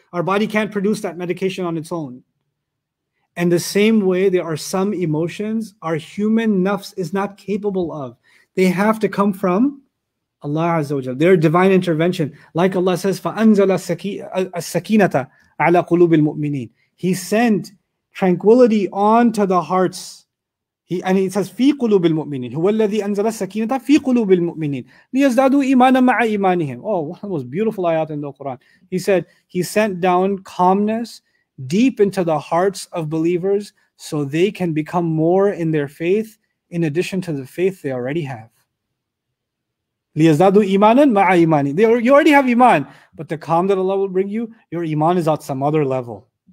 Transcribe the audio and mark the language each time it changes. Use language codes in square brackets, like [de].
[en] Our body can't produce that medication on its own. And the same way, there are some emotions our human nafs is not capable of. They have to come from Allah Azza wa Jalla. Their divine intervention. Like Allah says, [ar] فَأَنزَلَ السَّكِينَةَ عَلَى قُلُوبِ الْمُؤْمِنِينَ [en] He sent tranquility onto the hearts. [ar] And it says, فِي قُلُوبِ الْمُؤْمِنِينَ هُوَ الَّذِي أَنزَلَ السَّكِينَةَ فِي قُلُوبِ الْمُؤْمِنِينَ لِيَزْدَادُوا إِيمَانًا مَعَ إِيمَانِهِمْ [en] Oh, one of the most beautiful ayat in the Quran. He said, He sent down calmness deep into the hearts of believers so they can become more in their faith in addition to the faith they already have. [ar] لِيَزْدَادُوا إِيمَانًا مَعَ إِيمَانِهِمْ [en] You already have iman, but the calm that Allah will bring you, your iman is at some other level.